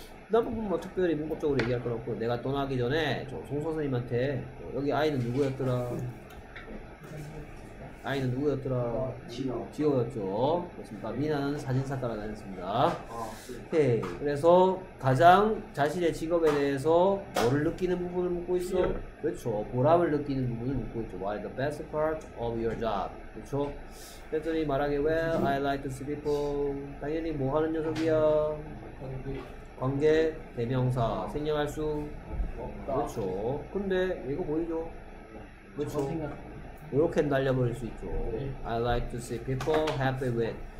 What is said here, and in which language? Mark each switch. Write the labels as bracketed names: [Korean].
[Korean] 그 부분 뭐 특별히 문법적으로 얘기할 건 없고 내가 떠나기 전에 저 송 선생님한테 여기 아이는 누구였더라? 아이는 누구였더라? 지호였죠. 그렇습니까? 미나는 사진사과를 다녔습니다. 네. 그래서 가장 자신의 직업에 대해서 뭐를 느끼는 부분을 묻고 있어? 그렇죠. 보람을 느끼는 부분을 묻고 있죠. [English] What is the best part of your job? [Korean] 그렇죠. 그랬더니 말하기 [English] well, I like to see people. [Korean] 당연히 뭐 하는 녀석이야? 관계, 대명사, 생략할 수? 그렇죠. 근데 이거 보이죠? 그렇죠. 이렇게 날려버릴 수 있죠. [English] I like to see people happy with.